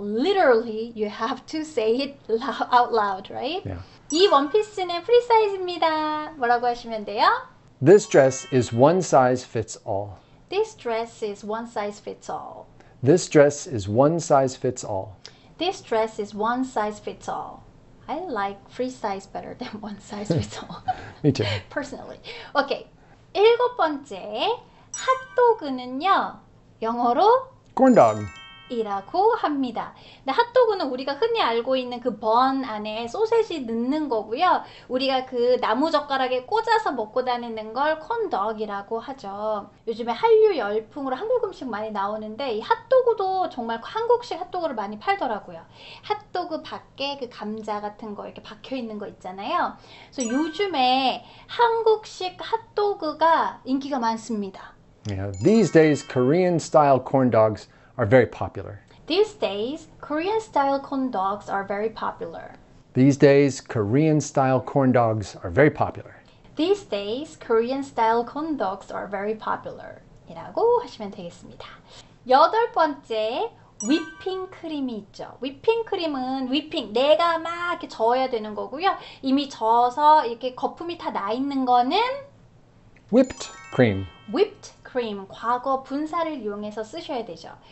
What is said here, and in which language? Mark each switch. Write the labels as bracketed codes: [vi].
[en] Literally, you have to say it out loud, right? [ko] 이 원피스는 프리 사이즈입니다. 뭐라고 하시면 돼요? [en] This dress is one size fits all. This dress is one size fits all. This dress is one size fits all. This dress is one size fits all. I like free size better than one size Me pizza. too. Personally. Okay. [ko] 일곱 번째 핫도그는요, 영어로 [en] Corn dog. [ko] 이라고 합니다. 근데 핫도그는 우리가 흔히 알고 있는 그번 안에 소세지 넣는 거고요. 우리가 그 나무젓가락에 꽂아서 먹고 다니는 걸 콘덕이라고 하죠. 요즘에 한류 열풍으로 한국 음식 많이 나오는데 이 핫도그도 정말 한국식 핫도그를 많이 팔더라고요. 핫도그 밖에 그 감자 같은 거 이렇게 박혀 있는 거 있잖아요. 그래서 요즘에 한국식 핫도그가 인기가 많습니다. [en] Yeah, these days, Korean style corn dogs are very popular. These days, Korean style corn dogs are very popular. These days, Korean style corn dogs are very popular. These days, Korean style corn dogs are very popular. [ko] 이라고 하시면 되겠습니다. 여덟 번째, 휘핑 크림이 있죠. 휘핑 크림은 휘핑, 내가 막 이렇게 저어야 되는 거고요. 이미 저어서 이렇게 거품이 다나 있는 거는 [en] Whipped cream. [ko] whipped 크림, 과거 분사를 이용해서 쓰셔야 되죠.